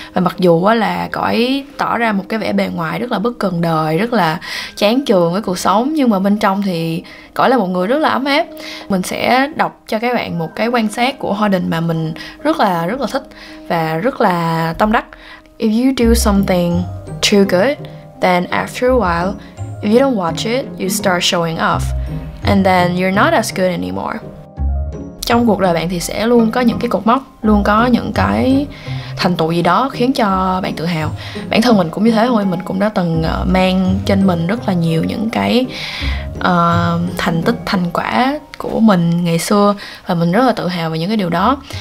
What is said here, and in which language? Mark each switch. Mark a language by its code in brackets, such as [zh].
[vi] Và mặc dù là cậu ấy tỏ ra một cái vẻ bề ngoài rất là bất cần đời, rất là chán chường với cuộc sống, nhưng mà bên trong thì cậu ấy là một người rất là ấm áp. Mình sẽ đọc cho các bạn một cái quan sát của Holden mà mình rất là thích và rất là tâm đắc. [en] If you do something too good, then after a while, if you don't watch it, you start showing off, and then you're not as good anymore. [vi] Trong cuộc đời bạn thì sẽ luôn có những cái cột mốc, luôn có những cái thành tựu gì đó khiến cho bạn tự hào. Bản thân mình cũng như thế thôi, mình cũng đã từng mang trên mình rất là nhiều những cái thành tích, thành quả của mình ngày xưa, và mình rất là tự hào về những cái điều đó.